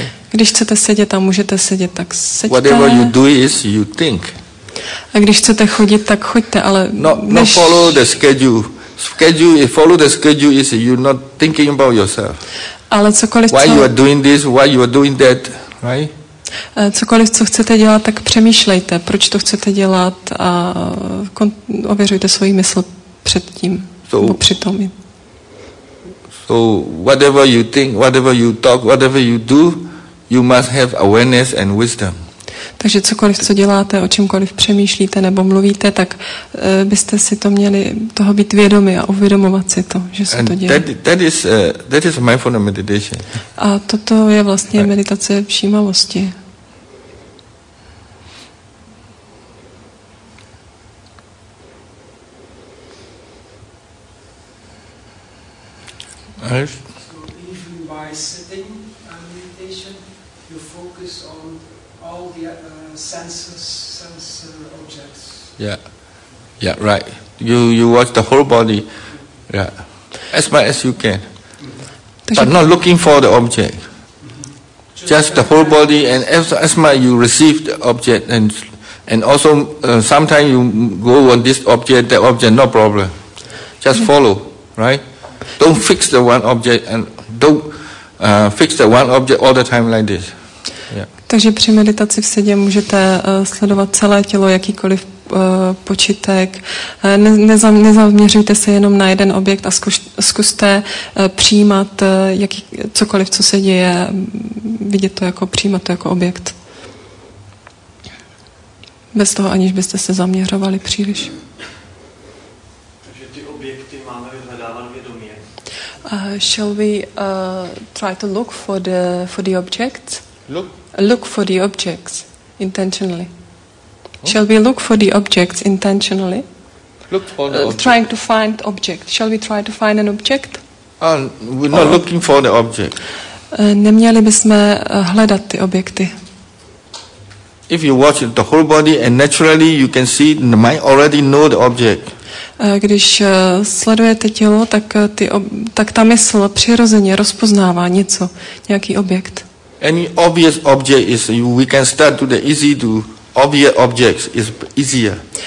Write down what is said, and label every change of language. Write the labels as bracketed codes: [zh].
[cs] Když chcete sedět a můžete sedět, tak seďte. [en] Whatever you do is you think. [cs] A když chcete chodit, tak choďte, ale [en] No, follow the schedule. Follow the schedule is you not thinking about yourself. [cs] Ale cokoliv, [en] why you are doing this, why you are doing that, right? [cs] Cokoliv, co chcete dělat, tak přemýšlejte, proč to chcete dělat a ověřujte svoji mysl před tím, nebo při tom. [en] So whatever you think, whatever you talk, whatever you do, you must have awareness and wisdom. [cs] Takže cokoliv, co děláte, o čemkoliv přemýšlíte nebo mluvíte, tak byste si to měli toho být vědomi a uvědomovat si to, že se [en] and [cs] to děje. [en] That is mindfulness meditation. [cs] A toto je vlastně meditace všímavosti. [en] So even by sitting and meditation, you focus on all the sense objects. Yeah, right. You watch the whole body, yeah, as much as you can, but not looking for the object. Just the whole body, and as much you receive the object, and also sometimes you go on this object, that object, no problem. Just follow. right? Don't fix the one object and don't fix the one object all the time like this. Yeah. [cs] Takže při meditaci v sedě můžete sledovat celé tělo, jakýkoliv počitek. Nezaměřujte se jenom na jeden objekt a zkuste přijímat cokoliv, co se děje, vidět to jako, přijímat to jako objekt. Bez toho, aniž byste se zaměřovali příliš. Takže ty objekty máme vyhledávat vědomě. [en] Shall we try to look for the objects? Look? Look for the objects intentionally. Shall we look for the objects intentionally? Look for the object. Trying to find object. Shall we try to find an object? We're not looking for the object. [cs] Neměli bychom hledat ty objekty. [en] If you watch the whole body and naturally you can see the mind already know the object. [cs] Když sledujete tělo, tak tak ta mysl přirozeně rozpoznává něco, nějaký objekt. [en] Any obvious object is we can start to the easy to obvious objects is easier.